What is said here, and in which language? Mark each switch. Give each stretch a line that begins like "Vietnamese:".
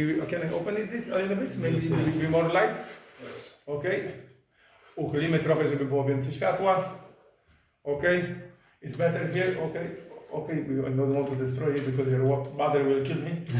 English: Can I open it this a little bit? Maybe a little bit more light? Ok.
Polish: Uchylimy trochę, żeby było więcej światła. Ok.
English: It's better here.
Polish: Ok.
English: okay, I don't want to destroy you because your mother will kill me.